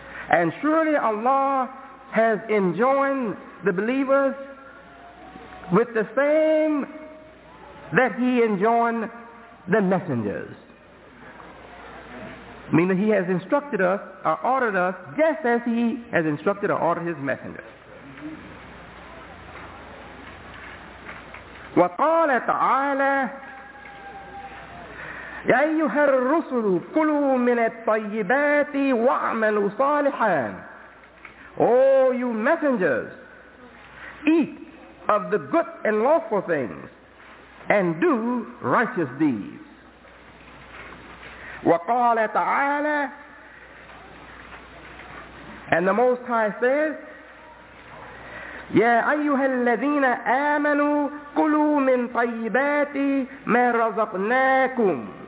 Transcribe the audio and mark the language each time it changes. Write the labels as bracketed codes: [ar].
[en] And surely Allah has enjoined the believers with the same that He enjoined the messengers. Meaning He has instructed us or ordered us just as He has instructed or ordered His messengers. [ar] وقال تعالى يا أيها الرسل كلوا من الطيبات واعملوا صالحا. [en] Oh, you messengers, eat of the good and lawful things and do righteous deeds. [ar] وقال تعالى, [en] and the Most High says, [ar] يا أيها الذين آمنوا كلوا من طيبات ما رزقناكم.